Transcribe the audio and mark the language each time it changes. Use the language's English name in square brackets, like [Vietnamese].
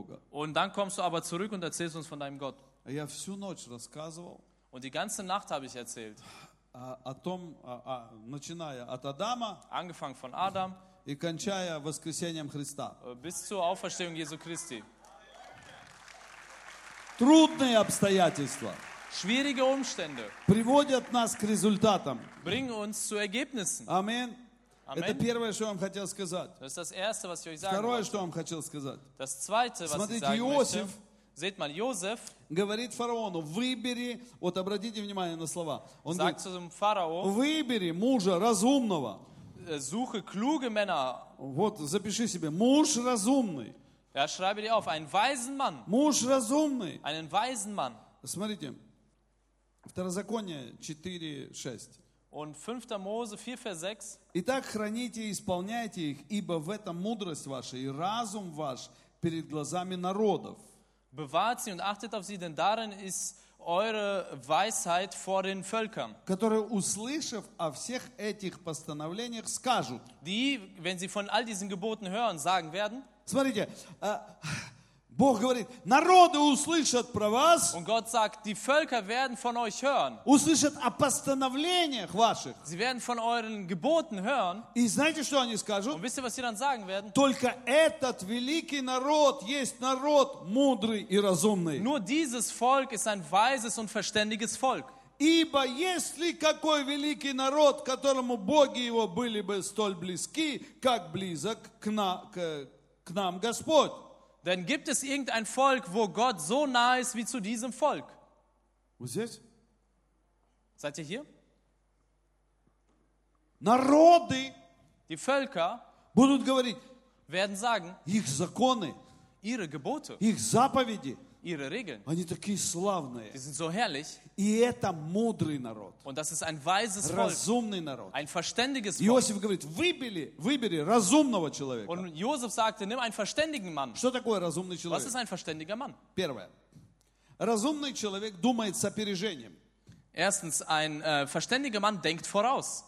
[German] Und dann kommst du aber zurück und erzählst uns von deinem Gott. Und die ganze Nacht habe ich erzählt. Angefangen von Adam. [Russian] И кончая воскресением Христа. [German] Bis zur Auferstehung Jesu Christi. [Russian] Трудные обстоятельства. [German] Schwierige Umstände. [Russian] Приводят нас к результатам. [German] Bringen uns zu Ergebnissen. Amen. [Russian] Это первое, что я вам хотел сказать. [German] Das ist das Erste, was ich euch sagen [Russian] Второе, [German] wollte. [Russian] Что я вам хотел сказать. [German] Das Zweite, was [Russian] Смотрите, [German] ich sagen [Russian] Иосиф. [German] Möchte. Seht mal, Josef [Russian] говорит фараону, выбери, вот обратите внимание на слова. Он [German] sagt [Russian] говорит, [German] zu dem Pharao, [Russian] выбери мужа разумного. [German] Suche kluge Männer. [Russian] Вот, запиши себе. Муж разумный. [German] Ja, schreibe dir auf. Einen weisen Mann. [Russian] Муж разумный. [German] Einen weisen Mann. [Russian] Смотрите. Второзаконие 4:6. [German] Und 5. Mose 4, Vers 6. [Russian] Итак, храните и исполняйте их, ибо в этом мудрость ваша и разум ваш перед глазами народов. [German] Bewahrt sie und achtet auf sie, denn darin ist eure Weisheit vor den Völkern. [Russian] Которые, услышав о всех этих постановлениях, скажут. [German] Die, wenn sie von all diesen Geboten hören, sagen werden. [Russian] Смотрите, Бог говорит, народы услышат про вас. [German] Und Gott sagt, die Völker werden von euch hören. [Russian] Услышат о постановлениях ваших. [German] Sie werden von euren Geboten hören. [Russian] И знаете, что они скажут? [German] Und wisst ihr, was sie dann sagen werden? [Russian] Только этот великий народ есть народ мудрый и разумный. [German] Nur dieses Volk ist ein weises und verständiges Volk. [Russian] Ибо есть ли какой великий народ, которому боги его были бы столь близки, как близок к нам Господь? [German] Denn gibt es irgendein Volk, wo Gott so nah ist wie zu diesem Volk? Was ist? Seid ihr hier? [Russian] Народы, [German] die Völker, [Russian] будут говорить, [German] werden sagen, [Russian] их законы, [German] ihre Gebote, [Russian] их заповеди, [German] ihre Regeln, [Russian] они такие славные, [German] die sind so herrlich, [Russian] и это мудрый народ, [German] und das ist ein weises Volk, [Russian] разумный народ, [German] ein verständiges Volk. [Russian] Иосиф говорит, выбери разумного человека. [German] Und Josef sagte, nimm einen verständigen Mann. [Russian] Что такое разумный человек? [German] Was ist ein verständiger Mann? [Russian] Первое. Разумный человек думает с опережением. [German] Erstens, ein verständiger Mann denkt voraus.